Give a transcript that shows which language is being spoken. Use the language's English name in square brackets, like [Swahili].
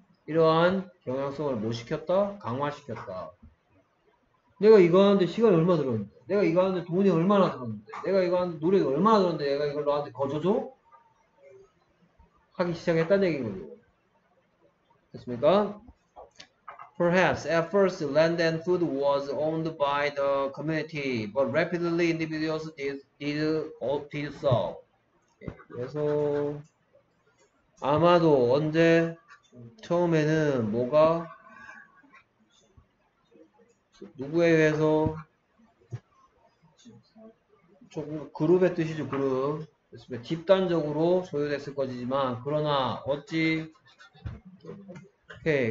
[Korean] 이러한 경향성을 뭐 시켰다? 강화시켰다. 내가 이거 하는데 시간이 얼마 들었는데? 내가 이거 하는데 돈이 얼마나 들었는데? 내가 이거 하는데 노력이 얼마나 들었는데? 내가 이걸 너한테 거저줘? 하기 시작했다는 얘기인 거죠. 됐습니까? [English] Perhaps at first land and food was owned by the community, but rapidly individuals did so. [Korean] 그래서 아마도 언제 처음에는 뭐가 누구에 의해서 조금 그룹의 뜻이죠. 그룹. 집단적으로 소유됐을 것이지만 그러나 어찌 오케이.